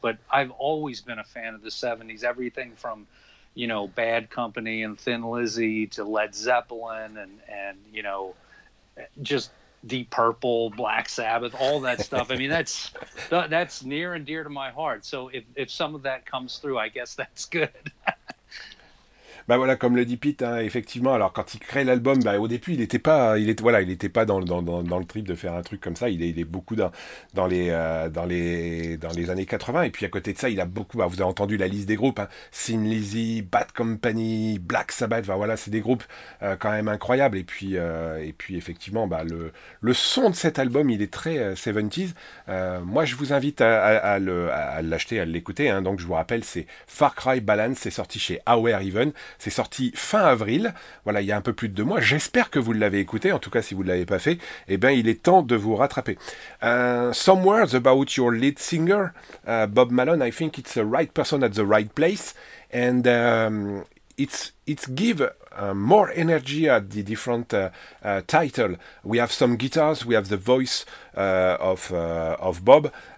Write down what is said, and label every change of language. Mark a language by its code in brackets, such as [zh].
[en] But I've always been a fan of the 70s, everything from, you know, Bad Company and Thin Lizzy to Led Zeppelin and you know, just Deep Purple, Black Sabbath, all that stuff. I mean, that's near and dear to my heart. So if some of that comes through, I guess that's good. [fr] Ben voilà, comme le dit Pete, hein, effectivement, alors quand il crée l'album, ben, au début, il n'était pas dans le trip de faire un truc comme ça. Il est beaucoup dans les années 80. Et puis à côté de ça, il a beaucoup, ben, vous avez entendu la liste des groupes, hein, Thin Lizzy, Bad Company, Black Sabbath, ben voilà, c'est des groupes quand même incroyables. Et puis, effectivement, ben, le son de cet album, il est très 70s. Moi, je vous invite à l'acheter, à l'écouter. Hein, donc je vous rappelle, c'est Far Cry Balance, c'est sorti chez AOR Even. C'est sorti fin avril, voilà, il y a un peu plus de 2 mois. J'espère que vous l'avez écouté. En tout cas, si vous ne l'avez pas fait, eh bien, il est temps de vous rattraper. [en] Some words about your lead singer, Bob Malone. I think it's the right person at the right place. And it's give more energy at the different title. We have some guitars, we have the voice of Bob.